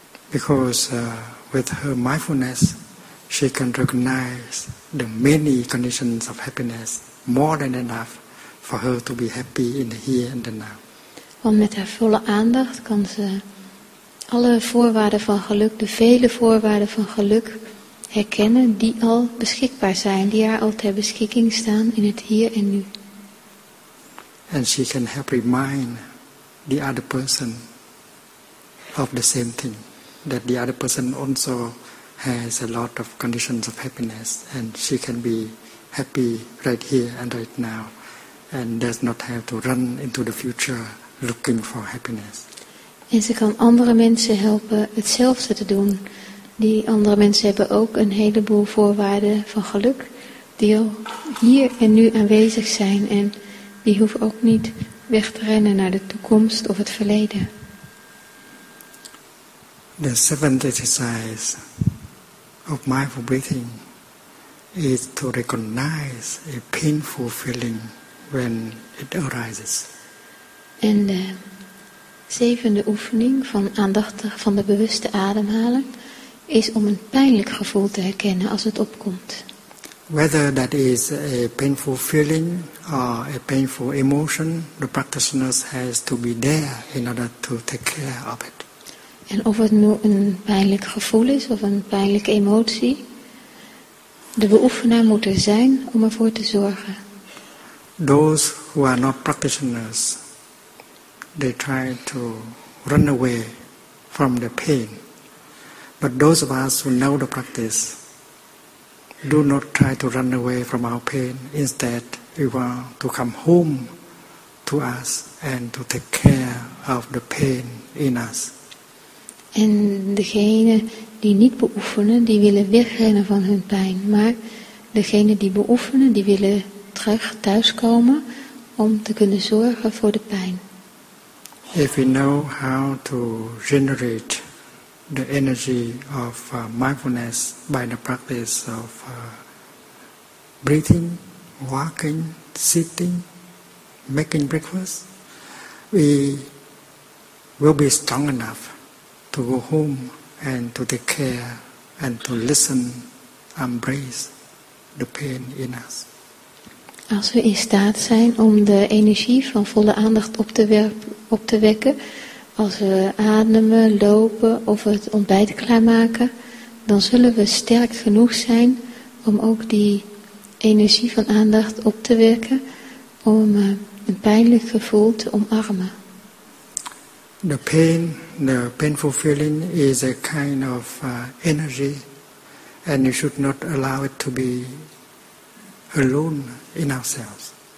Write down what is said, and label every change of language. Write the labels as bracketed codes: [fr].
[en] Because with her mindfulness, she can recognize the many conditions of happiness more than enough for her to be happy in the here and the now. [nl] Want met haar volle aandacht kan ze alle voorwaarden van geluk, de vele voorwaarden van geluk, herkennen die al beschikbaar zijn, die haar al ter beschikking staan in het hier en nu. [en] And she can help remind the other person of the same thing. That the other person also has a lot of conditions of happiness, and she can be happy right here and right now, and does not have to run into the future looking for happiness. [nl] En ze kan andere mensen helpen hetzelfde te doen. Die andere mensen hebben ook een heleboel voorwaarden van geluk die al hier en nu aanwezig zijn, en die hoeven ook niet weg te rennen naar de toekomst of het verleden. [en] The seventh exercise of mindful breathing is to recognize a painful feeling when it arises. [nl] En de zevende oefening van aandachtig van de bewuste ademhalen is om een pijnlijk gevoel te herkennen als het opkomt. [en] Whether that is a painful feeling or a painful emotion, the practitioner has to be there in order to take care of it. [nl] En of het nu een pijnlijk gevoel is of een pijnlijke emotie, de beoefenaar moet er zijn om ervoor te zorgen. [en] Those who are not practitioners, they try to run away from the pain. But those of us who know the practice, do not try to run away from our pain. Instead, we want to come home to us and to take care of the pain in us. [nl] En degene die niet beoefenen, die willen wegrennen van hun pijn. Maar degene die beoefenen, die willen terug thuiskomen om te kunnen zorgen voor de pijn. [en] If we know how to generate the energy of mindfulness by the practice of breathing, walking, sitting, making breakfast, we will be strong enough to go home and to take care and to listen, embrace the pain in us. [nl] Als we in staat zijn om de energie van volle aandacht op te wekken. Als we ademen, lopen of het ontbijt klaarmaken, dan zullen we sterk genoeg zijn om ook die energie van aandacht op te wekken, om een pijnlijk gevoel te omarmen. [en] The pain, the painful feeling is a kind of energy, and you should not allow it to be alone in ourselves.